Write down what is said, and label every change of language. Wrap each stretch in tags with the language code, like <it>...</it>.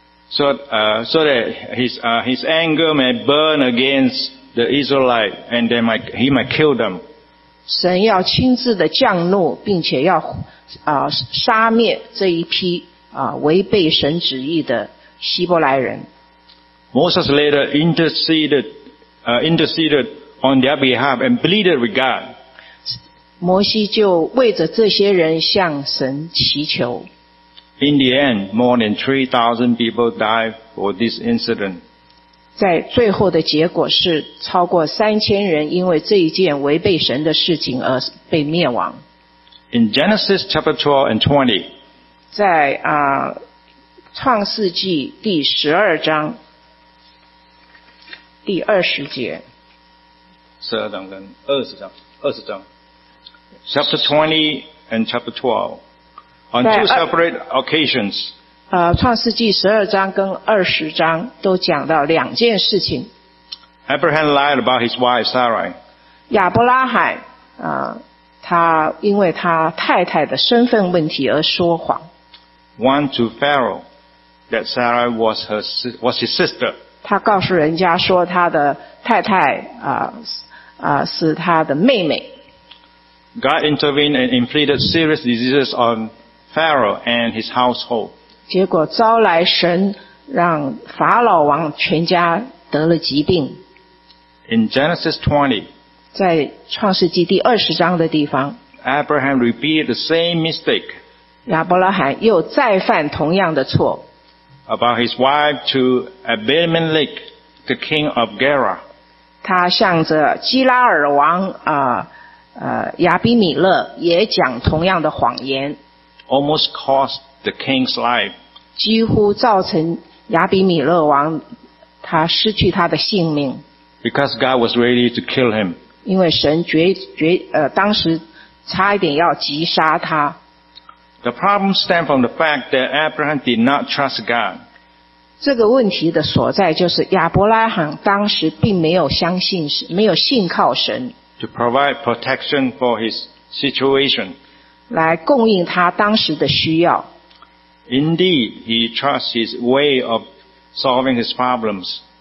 <en>So that his anger may burn against the Israelite and they might, he might kill them.</en> <zh>神要亲自的降怒并且要啊杀灭这一批啊违背神旨意的希伯来人。</zh> <en>Moses later interceded on their behalf and pleaded with God.</en> <zh>摩西就为着这些人向神祈求。</zh> <en>In the end, more than 3,000 people died for this incident.</en> <zh>在最后的结果是超过3000人因为这一件违背神的事情而被灭亡。</zh> <en>In Genesis chapter 12 and 20,</en> <zh>在啊创世纪第十二章第二十节，十二章跟二十章</zh> <en>，Chapter 20 and Chapter 12 on two separate occasions。</en> <zh>创世纪十二章跟二十章都讲到两件事情。</zh> <en>Abraham lied about his wife Sarai。</en> <zh>亚伯拉罕他因为他太太的身份问题而说谎。</zh> <en>One to Pharaoh。 That Sarah was his sister.</en> <zh>他告诉人家说他的太太是他的妹妹。</zh> <en>God intervened and inflicted serious diseases on Pharaoh and his household.</en> <zh>结果招来神让法老王全家得了疾病。</zh> <en>In Genesis 20,</en> <zh>在创世纪第二十章的地方</zh> <en>，Abraham repeated the same mistake.</en> <zh>亚伯拉罕又再犯同样的错。</zh> <en>About his wife to Abimelech, the king of Gerar.</en> <zh>他向着基拉尔王亚比米勒也讲同样的谎言。</zh> <en>Almost cost the king's life.</en> <zh>几乎造成亚比米勒王他失去他的性命。</zh> <en>Because God was ready to kill him.</en> <zh>因为神当时差一点要击杀他。</zh> <en>The problem stemmed from the fact that Abraham did not trust God.</en> <zh>这个问题的所在就是亚伯拉罕当时并没有相信，没有信靠神。</zh> <en>To provide protection for his situation.</en> <zh>来供应他当时的需要。</zh> <en>Indeed, he trusts his way of solving his problems.</en>